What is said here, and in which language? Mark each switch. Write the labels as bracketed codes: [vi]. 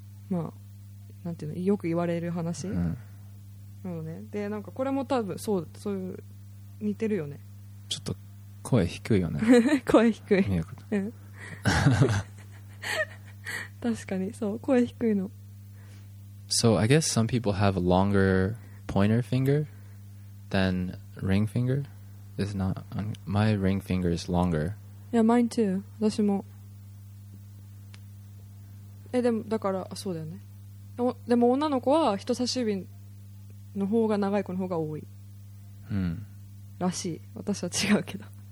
[ja] まあ、なんていうの、よく言われる話、うん、なるほどね。でなんかこれも多分そう、そういう似てるよね。ちょっと声低いよね。声低い、見えこと、うん、確かにそう、声低いの。 [en] So I guess some people have a longer pointer finger than ring finger. It's not my ring finger is longer. Yeah, mine too. [ja] 私もえ、でもだからそうだよね。でも女の子は人差し指の方が長い子の方が多い、うん、らしい。私は違うけど。